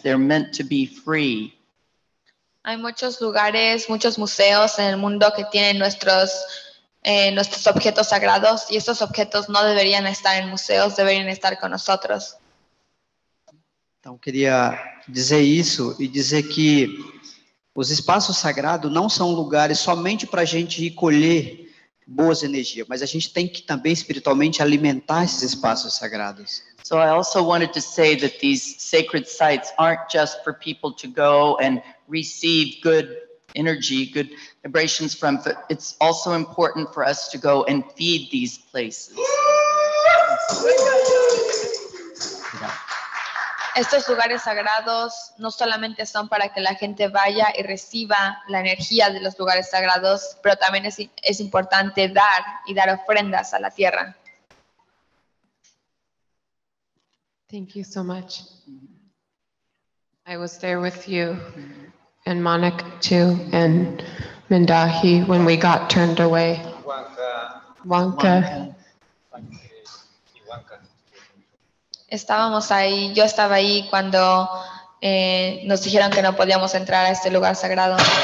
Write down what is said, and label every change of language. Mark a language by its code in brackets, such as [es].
[en] They're meant to be free. [es] Hay muchos lugares, muchos museos en el mundo que tienen nuestros objetos sagrados y estos objetos no deberían estar en museos, deberían estar con nosotros. [pt] Então queria dizer isso e dizer que os espaços sagrados não são lugares somente para a gente ir colher boas energias, mas a gente tem que também espiritualmente alimentar esses espaços sagrados. [en] So I also wanted to say that these sacred sites aren't just for people to go and receive good energy, good vibrations from, but it's also important for us to go and feed these places. [es] Estos lugares sagrados no solamente son para que la gente vaya y reciba la energía de los lugares sagrados, pero también es importante dar y dar ofrendas a la tierra. [en] Thank you so much. I was there with you and Monica too and Mindaji when we got turned away. Wanka. [es] Estábamos ahí, yo estaba ahí cuando nos dijeron que no podíamos entrar a este lugar sagrado.